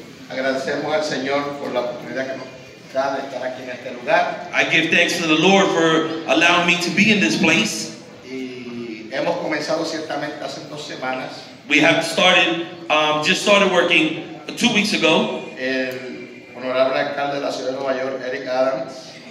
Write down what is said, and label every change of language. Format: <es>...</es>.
<es>Agradecemos al Señor por la oportunidad que nos da de estar aquí en este lugar.</es> <en>I give thanks to the Lord for allowing me to be in this place.</en> <es>Y hemos comenzado ciertamente hace dos semanas.</es> <en>We have started, just started working 2 weeks ago.</en> <es>El honorable alcalde de la ciudad de Nueva York, Eric Adams.</es>